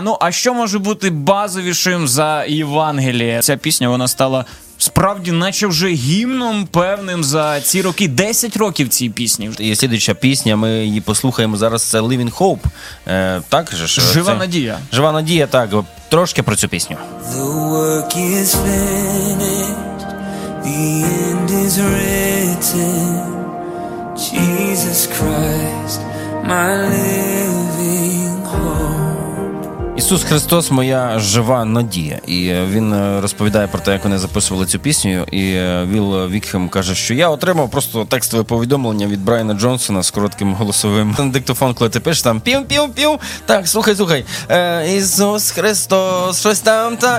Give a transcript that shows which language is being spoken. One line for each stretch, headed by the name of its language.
Ukrainian: Ну, а що може бути базовішим за Євангеліє? Ця пісня, вона стала справді наче вже гімном певним за ці роки. 10 років цієї пісні. І слідуюча пісня, ми її послухаємо зараз, це Living Hope. Так же? Жива надія. Жива надія, так. Трошки про цю пісню.
English: The work is finished, the end is written. Jesus Christ, my living hope.
Ukrainian: Ісус Христос – моя жива надія. І він розповідає про те, як вони записували цю пісню. І Віл Вікхем каже, що я отримав просто текстове повідомлення від Брайана Джонсона з коротким голосовим. Диктофон, коли ти пишеш там пів-пів-пів. Так, слухай. Ісус Христос, щось там та.